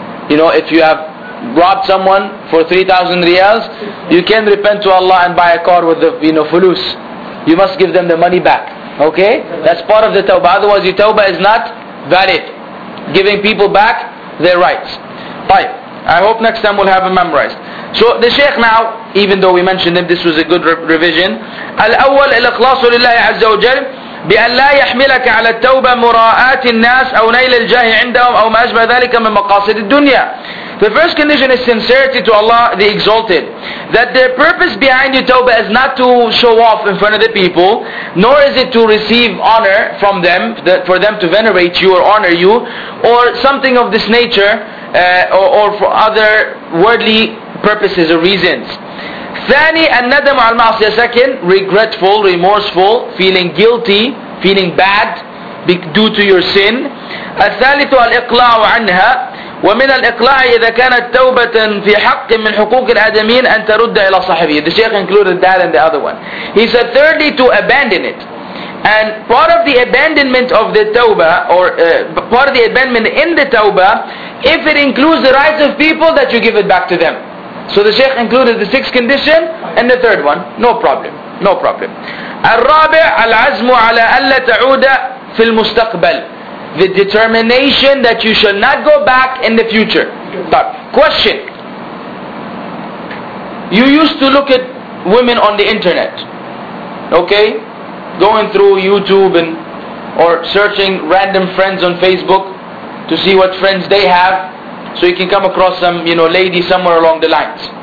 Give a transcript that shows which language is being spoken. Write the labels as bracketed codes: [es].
[en] You know, if you have robbed someone for 3,000 riyals, you can repent to Allah and buy a car with the, you know, fulus. You must give them the money back. Okay? That's part of the tawbah. Otherwise, your tawbah is not valid. Giving people back their rights. Fine. I hope next time we'll have it memorized. So the Shaykh now, even though we mentioned him, this was a good revision. [ar] الأول الإخلاص لله عز وجل بأن لا يحملك على التوبة مراءة الناس أو نيل الجاه عندهم أو ما أشبه ذلك من مقاصد الدنيا. [en] The first condition is sincerity to Allah, the Exalted. That the purpose behind your tawbah is not to show off in front of the people, nor is it to receive honor from them, for them to venerate you or honor you, or something of this nature, or for other worldly purposes or reasons. [ar] ثاني الندم على المعصية. [en] Second, regretful, remorseful, feeling guilty, feeling bad due to your sin. [ar] الثالث الإقلاع عنها. ومن الإقلاع إذا كانت توبة في حق من حقوق الآدميين أن ترد إلى صاحبه. [en] The Sheikh included that and the other one. He said thirdly to abandon it. And part of the abandonment of the tawbah, or part of the abandonment in the tawbah, if it includes the rights of people, that you give it back to them. So the Sheikh included the sixth condition and the third one. No problem. No problem. [ar] الرابع العزم على ألا تعود في المستقبل. [en] The determination that you shall not go back in the future. But question. You used to look at women on the internet. Okay? Going through YouTube and or searching random friends on Facebook to see what friends they have, so you can come across some, you know, lady somewhere along the lines.